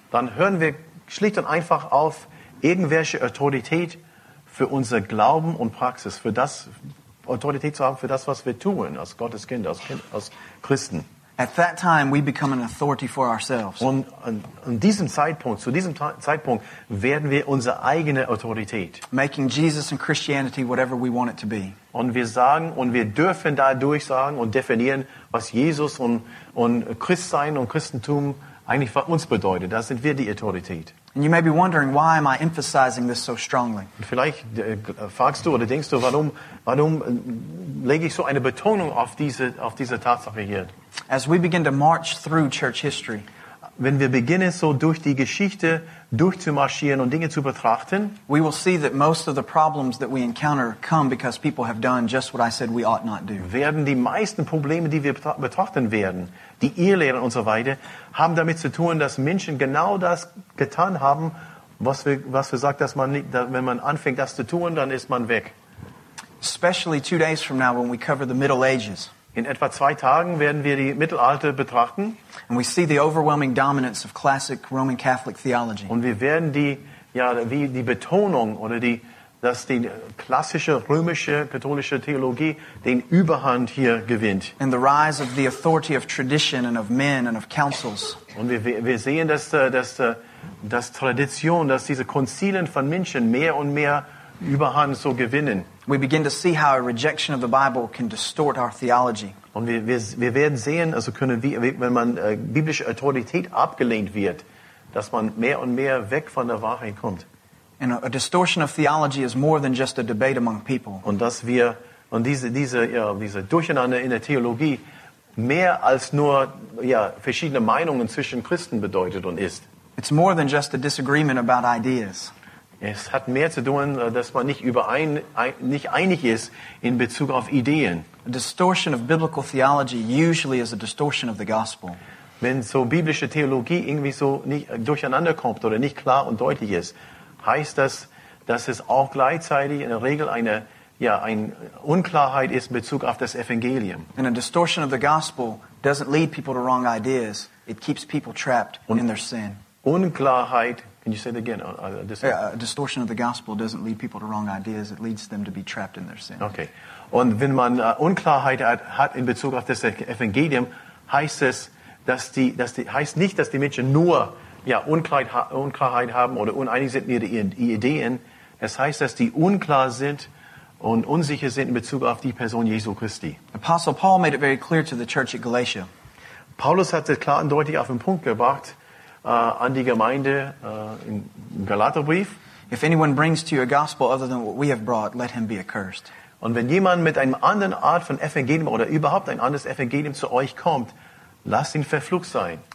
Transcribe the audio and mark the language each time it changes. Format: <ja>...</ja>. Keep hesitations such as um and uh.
<de>Dann hören wir schlicht und einfach auf irgendwelche Autorität für unser Glauben und Praxis, für das Autorität zu haben für das, was wir tun als Gottes Kinder, als Christen.</de> <en>At that time, we become an authority for ourselves. On this</en> <de>an diesem Zeitpunkt, zu diesem Zeitpunkt, werden wir unsere</de> <en>Making Jesus and Christianity whatever we want it to be.</en> <de>Und wir sagen und wir dürfen dadurch sagen und definieren, was Jesus und, und Christsein und Christentum eigentlich für uns bedeutet. Da sind wir die Autorität.</de> <en>And you may be wondering why am I emphasizing this so strongly?</en> <de>Vielleicht fragst du oder denkst du, warum warum lege ich so eine Betonung auf diese</de> <en>auf diese As we begin to march through church history</en> <de>wenn wir beginnen, so durch die Geschichte durchzumarschieren und Dinge zu betrachten,</de> <en>we will see that most of the problems that we encounter come because people have done just what I said we ought not do.</en> <de>Werden die meisten Probleme, die wir betrachten werden, die Irrlehren und so weiter, haben damit zu tun, dass Menschen genau das getan haben, was wir, was wir sagt, dass man nicht, dass, wenn man anfängt, das zu tun, dann ist man weg.</de> <en>Especially two days from now, when we cover the Middle Ages.</en> <de>In etwa zwei Tagen werden wir die Mittelalter betrachten.</de> <en>And we see the overwhelming dominance of classic Roman Catholic theology.</en> <de>Und wir werden die ja wie die Betonung oder die dass die klassische römische katholische Theologie den Überhand hier gewinnt.</de> <en>And the rise of the authority of tradition and of men and of councils.</en> <de>Und wir wir sehen dass dass dass Tradition, dass diese Konzilien von Menschen mehr und mehr Überhand so gewinnen.</de> <en>We begin to see how a rejection of the Bible can distort our theology.</en> <de>Und wir, wir, wir werden sehen, also können wir, wenn man äh, biblische Autorität abgelehnt wird, dass man mehr und mehr weg von der Wahrheit kommt.</de> <en>And a, a distortion of theology is more than just a debate among people.</en> <de>Und dass wir und diese diese ja, diese Durcheinander in der Theologie mehr als nur ja verschiedene Meinungen zwischen Christen bedeutet und ist.</de> <en>It's more than just a disagreement about ideas.</en> <de>Es hat mehr zu tun, dass man nicht überein, nicht einig ist in Bezug auf Ideen.</de> <en>A distortion of biblical theology usually is a distortion of the gospel.</en> <de>Wenn so biblische Theologie irgendwie so nicht durcheinander kommt oder nicht klar und deutlich ist, heißt das, dass es auch gleichzeitig in der Regel eine ja ein Unklarheit ist in Bezug auf das Evangelium.</de> <en>And a distortion of the gospel doesn't lead people to wrong ideas. It keeps people trapped Un in their sin. Unklarheit and you say that again? Uh, yeah, a, distortion of the gospel doesn't lead people to wrong ideas. It leads them to be trapped in their sin. Okay.</en> <de>Und wenn man Unklarheit hat, hat in Bezug auf das Evangelium, heißt es, dass die, dass die, heißt nicht, dass die Menschen nur ja, Unklarheit, Unklarheit haben oder uneinig sind mit ihre, ihren Ideen. Es heißt, dass die unklar sind und unsicher sind in Bezug auf die Person Jesu Christi.</de> <en>Apostle Paul made it very clear to the church at Galatia.</en> <de>Paulus hat es klar und deutlich auf den Punkt gebracht, Uh, an die Gemeinde uh, im Galaterbrief.</de> <en>If anyone brings to you a gospel other than what we have brought, let him be accursed.</en> <de>Und wenn jemand mit einem anderen Art von Evangelium oder überhaupt ein anderes Evangelium zu euch kommt, lasst ihn verflucht sein.</de>